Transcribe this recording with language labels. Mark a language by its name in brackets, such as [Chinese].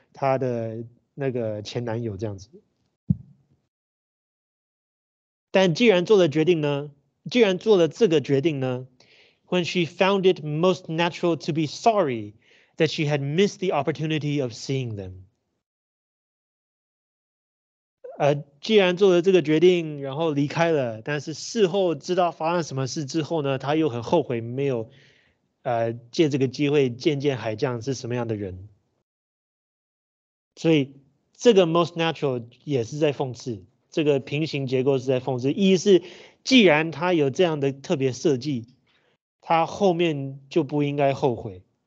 [Chinese] 他的那个前男友这样子。但既然做了决定呢， [English] 既然做了这个决定呢， when she found it most natural to be sorry that she had missed the opportunity of seeing them. [Chinese] 既然做了这个决定，然后离开了，但是事后知道发生什么事之后呢，他又很后悔没有借这个机会见见海将是什么样的人。所以这个 most natural 也是在讽刺，这个平行结构是在讽刺，一是既然他有这样的特别设计，他后面就不应该后悔。